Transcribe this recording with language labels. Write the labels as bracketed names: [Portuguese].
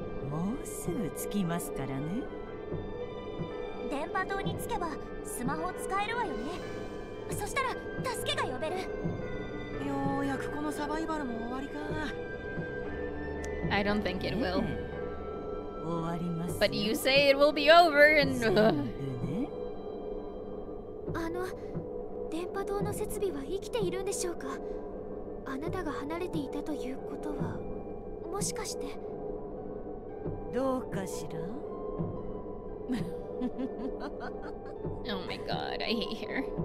[Japanese] もうすぐ着きますからね。電波塔に着けばスマホ使えるわよね。そしたら助けが呼べる。ようやくこのサバイバルも終わりか。 [English] I don't think it will. [Japanese] 終わります。 [English] But you say it will be over and. [Japanese] あの電波塔の設備は生きているんでしょうか。あなたが離れていたということはもしかして。どうかしら。 [English] Oh my god, I hate her.